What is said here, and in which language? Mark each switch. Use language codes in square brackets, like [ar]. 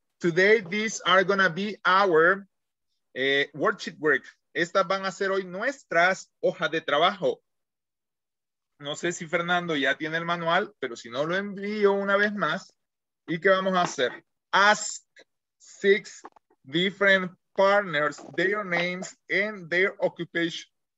[en] Today these are going to be our worksheet work. [es] Estas van a ser hoy nuestras hojas de trabajo. No sé si Fernando ya tiene el manual, pero si no lo envío una vez más. ¿Y qué vamos a hacer? [en] Ask 6 different partners, their names and their occupation.